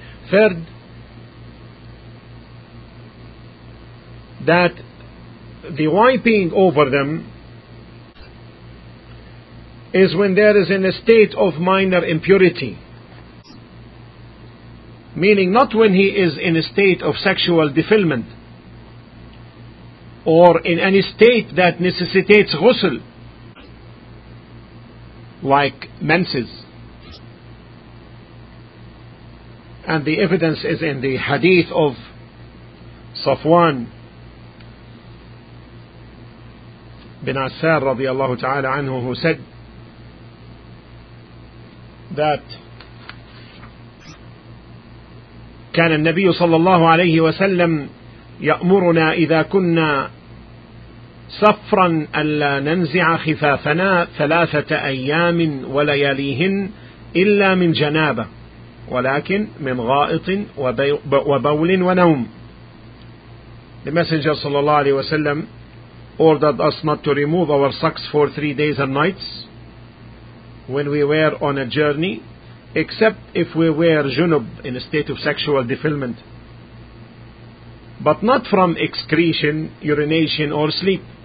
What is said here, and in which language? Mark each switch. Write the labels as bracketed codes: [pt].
[en] Third, that the wiping over them is when there is in a state of minor impurity, meaning not when he is in a state of sexual defilement or in any state that necessitates ghusl, like menses. And the evidence is in the hadith of Safwan bin Asar radiallahu ta'ala anhu, who said that [ar] كان النبي صلى الله عليه وسلم يأمرنا إذا كنا صفرا ألا ننزع خفافنا ثلاثة أيام ولياليهن إلا من جنابة ولكن من غائط وبول ونوم. [en] The Messenger [ar] صلى الله عليه وسلم [en] ordered us not to remove our socks for 3 days and nights when we were on a journey, except if we were junub, in a state of sexual defilement, but not from excretion, urination or sleep.